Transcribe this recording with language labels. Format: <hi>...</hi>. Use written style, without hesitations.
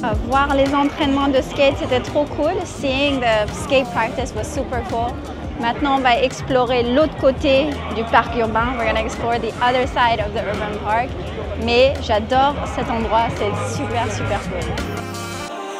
<fr>Voir les entraînements de skate, c'était trop cool.</fr> <en>Seeing the skate practice was super cool.</en> <fr>Maintenant, on va explorer l'autre côté du parc urbain.</fr> <en>We're going to explore the other side of the urban park.</en> <fr>Mais j'adore cet endroit, c'est super, super cool.</fr>